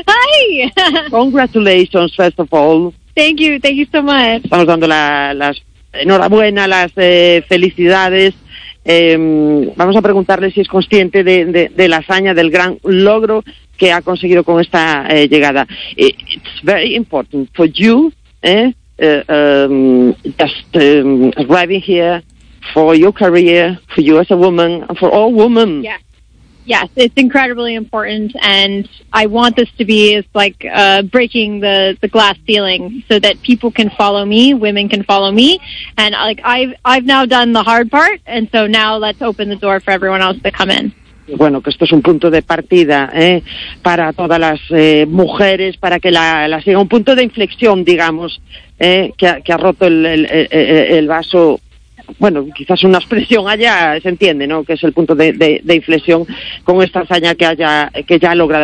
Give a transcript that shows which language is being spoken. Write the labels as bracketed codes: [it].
[en] Hi. Congratulations, first of all. Thank you so much. [es] Estamos dando las enhorabuena, las felicidades. Vamos a preguntarle si es consciente de la hazaña, del gran logro que ha conseguido con esta llegada. [en] It's very important for you, just arriving here for your career, for you as a woman, for all women. Yeah. yes, it's incredibly important, and I want this to be like breaking the glass ceiling so that people can follow me, women can follow me, and like I've now done the hard part, and so now let's open the door for everyone else to come in. [es] Bueno, que esto es un punto de partida, ¿eh? Para todas las mujeres, para que la siga, un punto de inflexión, digamos, ¿eh? que ha roto el vaso. Bueno, quizás una expresión allá se entiende, ¿no? Que es el punto de inflexión con esta hazaña que ya ha logrado.